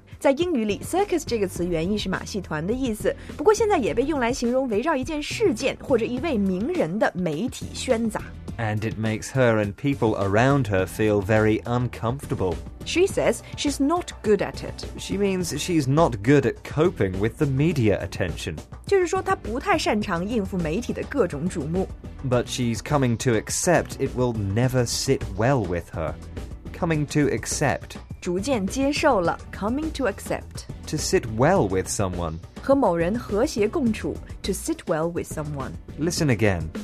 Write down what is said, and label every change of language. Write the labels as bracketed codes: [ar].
[zh] 在英语里 ,circus 这个词原意是马戏团的意思，不过现在也被用来形容围绕一件事件或者一位名人的媒体喧杂。 [en] And it makes her and people around her feel very uncomfortable. She says she's not good at it. She means she's not good at coping with the media attention. [zh] 就是说她不太擅长应付媒体的各种瞩目。 [en] But she's coming to accept it will never sit well with her. Coming to accept. [zh] 逐渐接受了 [en] coming to accept. To sit well with someone. [zh] 和某人和谐共处 [en] to sit well with someone. Listen again.